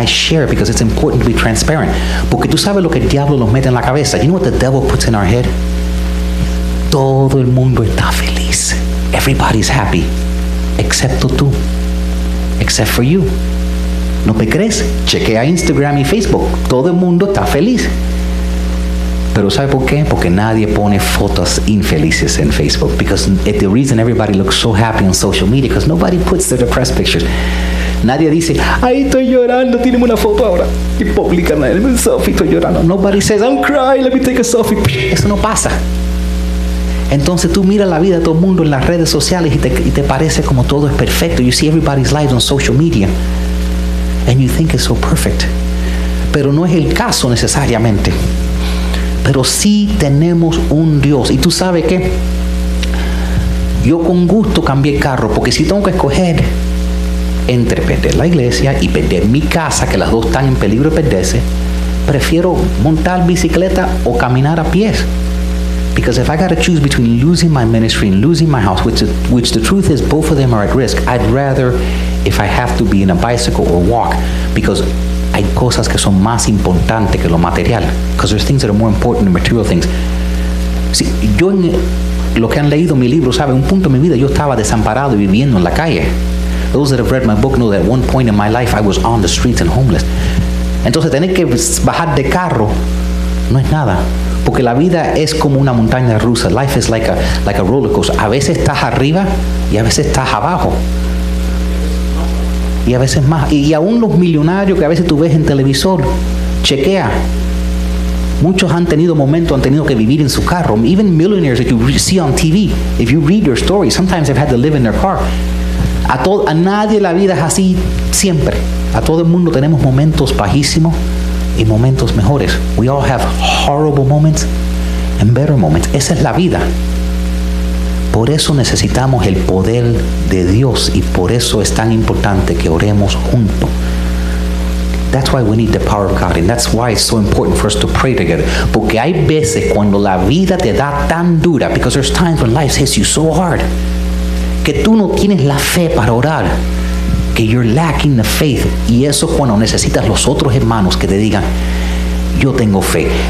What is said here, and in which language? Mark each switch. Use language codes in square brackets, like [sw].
[en] And I share because it's important to be transparent. [es] Porque tú sabes lo que el diablo nos mete en la cabeza. [en] You know what the devil puts in our head? [es] Todo el mundo está feliz. [en] Everybody's happy. [es] Excepto tú. [en] Except for you. [es] ¿No me crees? Chequea Instagram y Facebook. Todo el mundo está feliz. ¿Pero sabe por qué? Porque nadie pone fotos infelices en Facebook. [en] Because it's the reason everybody looks so happy on social media. Because nobody puts their depressed pictures. [es] Nadie dice, ahí estoy llorando, tíreme una foto ahora. Y publican en el selfie, estoy llorando. [en] Nobody says, I'm crying, let me take a selfie. [es] Eso no pasa. Entonces tú miras la vida de todo el mundo en las redes sociales y te parece como todo es perfecto. [en] You see everybody's lives on social media. And you think it's so perfect. [es] Pero no es el caso necesariamente. Pero sí tenemos un Dios. ¿Y tú sabes qué? Yo con gusto cambié el carro. Porque si tengo que escoger entre perder la iglesia y perder mi casa, que las dos están en peligro de perderse, prefiero montar bicicleta o caminar a pies. [en] Because if I got to choose between losing my ministry and losing my house, which the truth is both of them are at risk, I'd rather if I have to be in a bicycle or walk. Because [es] hay cosas que son más importantes que lo material. [en] Because there's things that are more important than material things. [es] Si, yo en lo que han leído mi libro, sabe, un punto de mi vida yo estaba desamparado y viviendo en la calle. [en] Those that have read my book know that at one point in my life I was on the streets and homeless. [es] Entonces tener que bajar de carro no es nada. Porque la vida es como una montaña rusa. [en] Life is like a roller coaster. [es] A veces estás arriba y a veces estás abajo. Y a veces más. Y aún los millonarios que a veces tú ves en televisor, chequea. Muchos han tenido momentos, han tenido que vivir en su carro. [en] Even millionaires that you see on TV, if you read their story, sometimes they've had to live in their car. [es] A nadie la vida es así siempre. A todo el mundo tenemos momentos bajísimos y momentos mejores. [en] We all have horrible moments and better moments. [es] Esa es la vida. Por eso necesitamos el poder de Dios y por eso es tan importante que oremos juntos. [en] That's why we need the power of God and that's why it's so important for us to pray together. [es] Porque hay veces cuando la vida te da tan dura, [en] because there's times when life hits you so hard, [es] que tú no tienes la fe para orar, que [en] you're lacking the faith, [es] y eso es cuando necesitas los otros hermanos que te digan, yo tengo fe.